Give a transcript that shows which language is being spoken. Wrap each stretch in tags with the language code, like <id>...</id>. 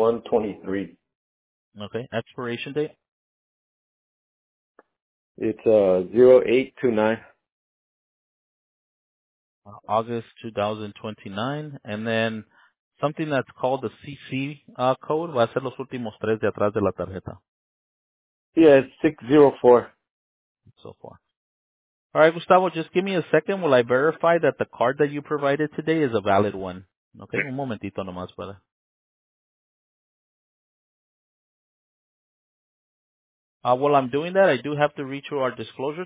<en>8123. Okay, expiration date? It's 0829. August 2029, and then something that's called the CC code.</en> <es>Va a ser los últimos tres de atrás de la tarjeta.</es> <en>Yeah, it's 604. So far. All right, Gustavo, just give me a second while I verify that the card that you provided today is a valid one.</en> <es>Okay, un momentito nomás, brother.</es> <en>While I'm doing that, I do have to read through our disclosure.</en>